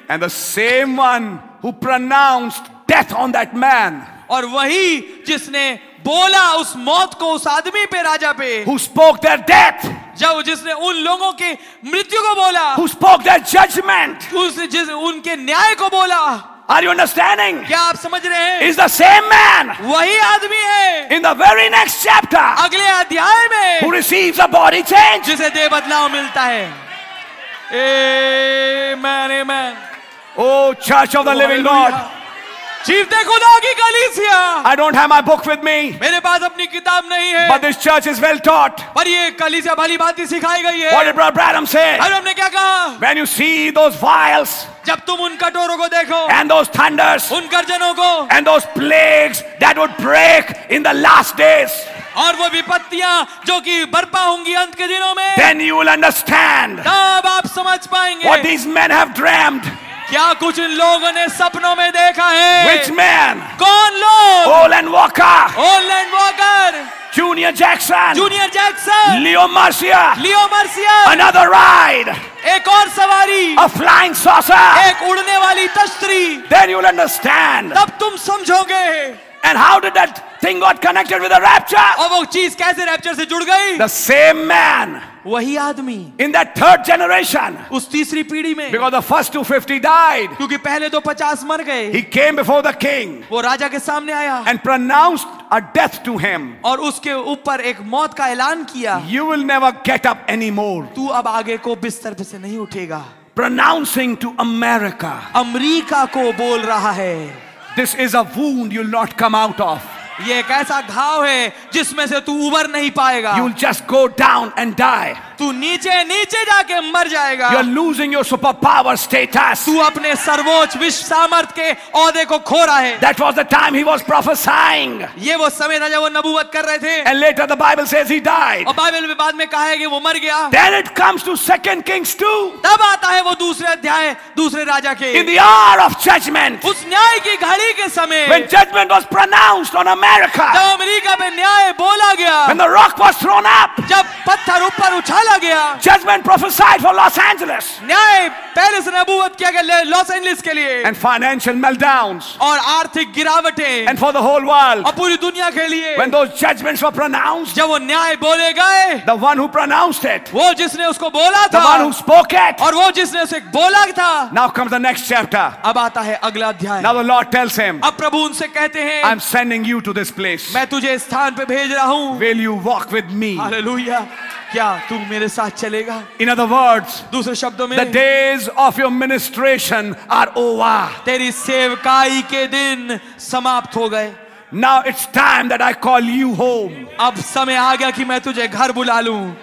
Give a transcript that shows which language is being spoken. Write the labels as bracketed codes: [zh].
[en] And the same one who pronounced death on that man. [hi] और वही जिसने बोला उस मौत को उस आदमी पे राजा पे. [en] Who spoke their death. [hi] जब जिसने उन लोगों के मृत्यु को बोला. [en] Who spoke their judgment. [hi] उसने जिस उनके न्याय को बोला. [en] Are you understanding? [hi] क्या आप समझ रहे हैं? [en] Is the same man. [hi] वही आदमी है. [en] In the very next chapter. [hi] अगले अध्याय में. [en] Who receives a body change. [hi] जिसे देह बदलाव मिलता है. Amen, amen. [en] Oh, church of the living God. [hi] Chief खुदा की कलीसिया. [en] I don't have my book with me. [hi] मेरे पास अपनी किताब नहीं है. [en] But this church is well taught. [hi] पर ये कलीसिया भली भांति सिखाई गई है. [en] What did Brother Branham say? [hi] अरे हमने क्या कहा? [en] When you see those vials. [hi] जब तुम उन कटोरों को देखो. [en] And those thunders. [hi] उन गर्जनों को. [en] And those plagues that would break in the last days. [hi] और वो विपत्तियां जो कि बर्पा होंगी अंत के दिनों में. [en] Then you will understand. [hi] तब आप समझ पाएंगे. [en] What these men have dreamt. [hi] क्या कुछ इन लोगों ने सपनों में देखा है? [en] Which man? [hi] कौन लोग? [en] Holland Walker. Holland Walker. Junior Jackson. Junior Jackson. Leo Marcia. Leo Marcia. Another ride. [hi] एक और सवारी. [en] A flying saucer. [hi] एक उड़ने वाली तश्तरी. [en] Then you'll understand. [hi] तब तुम समझोगे. [en] And how did that thing got connected with the rapture? [hi] और वो चीज कैसे रैप्चर से जुड़ गई? [en] The same man. [hi] वही आदमी. [en] In that third generation. [hi] उस तीसरी पीढ़ी में. [en] Because the first 250 died. [hi] क्योंकि पहले दो 50 मर गए. [en] He came before the king. [hi] वो राजा के सामने आया. [en] And pronounced a death to him. [hi] और उसके ऊपर एक मौत का ऐलान किया. [en] You will never get up anymore. [hi] तू अब आगे को बिस्तर पे से नहीं उठेगा. [en] Pronouncing to America. [hi] अमेरिका को बोल रहा है. [en] This is a wound you'll not come out of. [hi] ये एक ऐसा घाव है जिसमें से तू उबर नहीं पाएगा. [en] You'll just go down and die. [hi] तू नीचे नीचे जाके मर जाएगा. [en] You're losing your superpower status. [hi] तू अपने सर्वोच्च विश्व सामर्थ के ओहदे को खो रहा है. [en] That was the time he was prophesying. [hi] ये वो समय था जब वो नबूवत कर रहे थे. [en] And later the Bible says he died. [hi] और बाइबल में बाद में कहा है कि वो मर गया. [en] Then it comes to 2 Kings 2. [hi] तब आता है वो दूसरे अध्याय दूसरे राजा के. [en] In the hour of judgment. [hi] उस न्याय की घड़ी के समय. [en] When judgment was pronounced on America. [hi] जब अमेरिका पे न्याय बोला गया. [en] When the rock was thrown up. [hi] जब पत्थर ऊपर उछाला. [en] Judgment prophesied for Los Angeles. [hi] न्याय पहले से नबूवत किया गया लॉस एंजलिस के लिए. [en] And financial meltdowns. [hi] और आर्थिक गिरावटें. [en] And for the whole world. [hi] और पूरी दुनिया के लिए. [en] When those judgments were pronounced. [hi] जब वो न्याय बोले गए. [en] The one who pronounced it. [hi] वो जिसने उसको बोला था. [en] The one who spoke it. [hi] और वो जिसने उसे बोला था. [en] Now comes the next chapter. [hi] अब आता है अगला अध्याय. [en] Now the Lord tells him. [hi] अब प्रभु उनसे कहते हैं. [en] I'm sending you to this place. [hi] मैं तुझे इस स्थान पे भेज रहा हूँ. [en] Will you walk with me? [hi] Hallelujah. क्या तू मेरे साथ चलेगा? [en] In other words, [hi] दूसरे शब्दों में, [en] the days of your ministration are over. [hi] तेरी सेवकाई के दिन समाप्त हो गए. [en] Now it's time that I call you home. [hi] अब समय आ गया कि मैं तुझे घर बुला लूं.